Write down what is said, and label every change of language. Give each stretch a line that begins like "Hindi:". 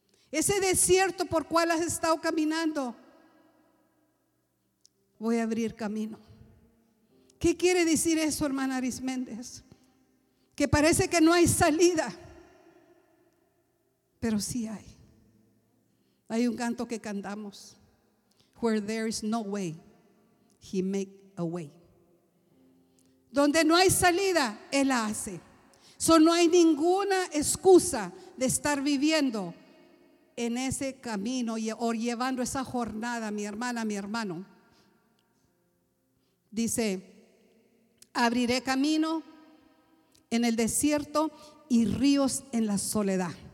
Spanish: Ese desierto por cual has estado caminando, voy a abrir camino. ¿Qué quiere decir eso, hermana Arisméndez? Que parece que no hay salida, pero sí hay. Hay un canto que cantamos.
English: Where there is no way, He make a way.
Spanish: Donde no hay salida, Él la hace. So no hay ninguna excusa de estar viviendo en ese camino o llevando esa jornada, mi hermana, mi hermano. Dice, abriré camino en el desierto y ríos en la soledad.